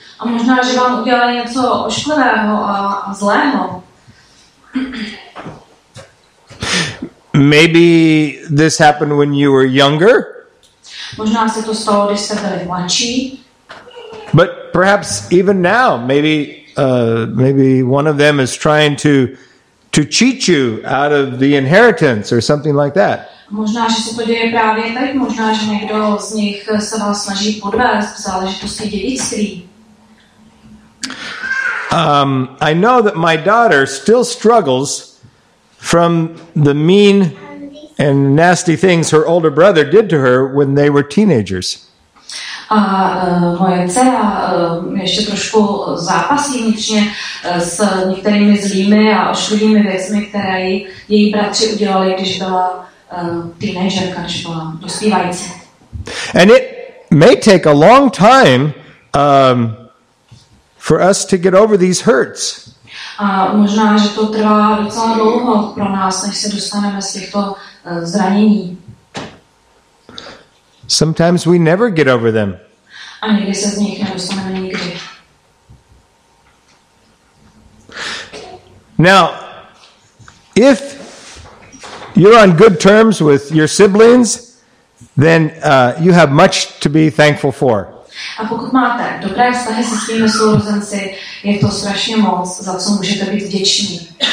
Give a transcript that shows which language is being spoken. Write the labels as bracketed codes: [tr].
[cs] A možná, že vám udělali něco ošklivého a zlého. [en] Maybe this happened when you were younger. [cs] Možná se to stalo, když jste byli mladší. [en] But perhaps even now, maybe one of them is trying to cheat you out of the inheritance or something like that. [cs] Možná, že se to děje právě tak, možná, že někdo z nich se vás snaží podvést v záležitosti dědictví. [en] I know that my daughter still struggles from the mean and nasty things her older brother did to her when they were teenagers. [cs] A moje dcera ještě trošku zápasí vnitřně s některými zlými a ošklivými věcmi, které její bratři udělali, když byla teenagerka, když byla dospívající. [en] And it may take a long time for us to get over these hurts. [cs] A možná, že to trvá docela dlouho pro nás, než se dostaneme z těchto zranění. [en] Sometimes we never get over them. [cs] A nikdy se z nich nedostaneme nikdy. [en] Now, if you're on good terms with your siblings, then you have much to be thankful for. [cs] A pokud máte dobré vztahy se svými sourozenci, je to strašně moc, za co můžete být vděční.